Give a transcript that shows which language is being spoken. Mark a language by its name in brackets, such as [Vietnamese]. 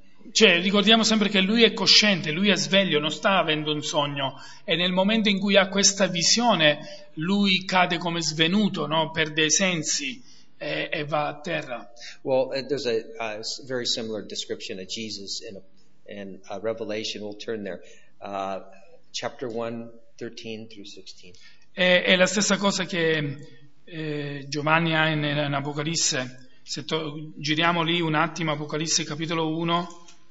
[Italian] Cioè, ricordiamo sempre che lui è cosciente, lui è sveglio, non sta avendo un sogno. E nel momento in cui ha questa visione, lui cade come svenuto, no? Perde i sensi e va a terra. [English] Well, there's a very similar description of Jesus in Revelation. We'll turn there. Chapter 1:13-16. [Italian] È la stessa cosa che Giovanni ha in Apocalisse. Se giriamo lì un attimo, Apocalisse capitolo 1.